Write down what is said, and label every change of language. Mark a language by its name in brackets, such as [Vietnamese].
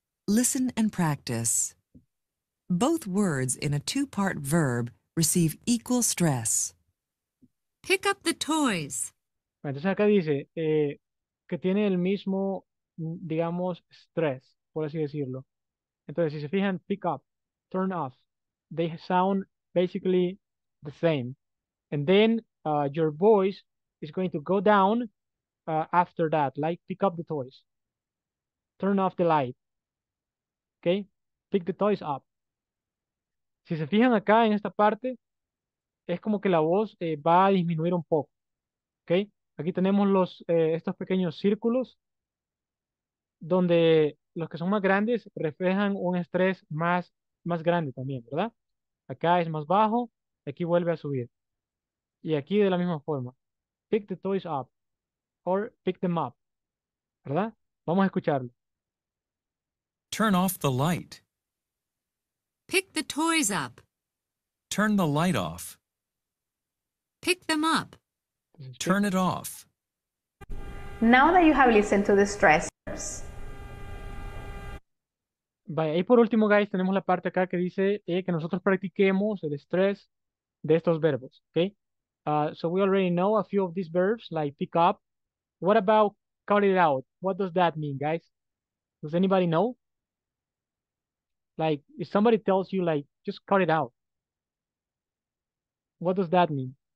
[English] Listen and practice. Both words in a two-part verb receive equal stress. Pick up the toys. [Spanish] Entonces acá dice que tiene el mismo, digamos, stress, por así decirlo. Entonces, si se fijan, [English] pick up, turn off, they sound basically the same. And then your voice is going to go down after that, like pick up the toys, turn off the light, okay? Pick the toys up. [Spanish] Si se fijan acá en esta parte, es como que la voz va a disminuir un poco, okay? Aquí tenemos los estos pequeños círculos donde los que son más grandes reflejan un estrés más grande también, ¿verdad? Acá es más bajo, aquí vuelve a subir. Y aquí de la misma forma. [English] Pick the toys up. Or pick them up. [Spanish] ¿Verdad? Vamos a escucharlo. [English] Turn off the light. Pick the toys up. Turn the light off. Pick them up. Turn it off. Now that you have listened to the stressors. [Spanish] Vaya, y por último, guys, tenemos la parte acá que dice que nosotros practiquemos el estrés de estos verbos, okay? [English] So we already know a few of these verbs, like pick up. What about cut it out? What does that mean, guys? Does anybody know? Like, if somebody tells you, like, just cut it out, what does that mean?